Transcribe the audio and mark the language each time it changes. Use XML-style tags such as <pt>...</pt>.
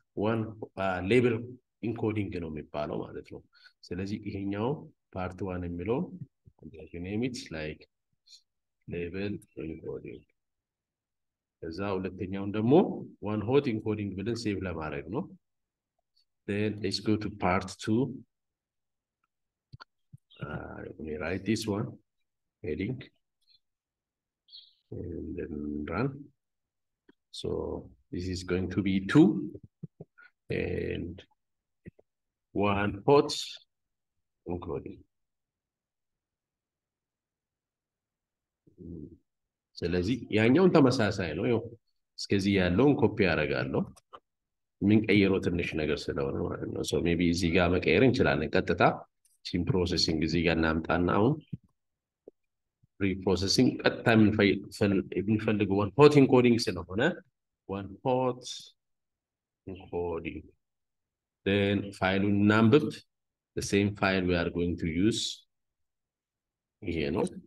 <am>ዋን ሌብል ኢንኮዲንግ ነው የሚባለው ማለት ነው። ስለዚህ ይሄኛው ፓርት ዋን የሚለው ኔሚት ላይክ ሌብል ኢንኮዲንግ፣ ከዛ ሁለተኛውን ደግሞ ዋን ሆት ኢንኮዲንግ ብለን ሴቭ ለማድረግ ነው።</am> <en>Then let's go to part two. Let me write this one heading and then run. So this is going to be two and one hot encoding. So let's see.</en> <am>ያኛው ተመሳሳይ ነው። እስከዚህ ያለውን ኮፒ አደርጋለሁ። ምን ቀይሮ ትንሽ ነገር ስለሆነ ማለት ነው። ሶ ሜቢ እዚህ ጋር መቀየር እንችላለን። ቀጥታ ቺም ፕሮሰሲንግ እዚህ ጋር እናምጣና አሁን ፕሪፕሮሰሲንግ ቀጥታ የምንፈልግ ዋን ሆት ኢንኮዲንግ ስለሆነ ዋን ሆት ኢንኮዲንግ ደን ፋይሉን እናንብብ።</am> <en>ሴም ፋይል ዊ አር ጎይንግ ቱ ዩዝ</en> <am>ይሄ ነው።</am>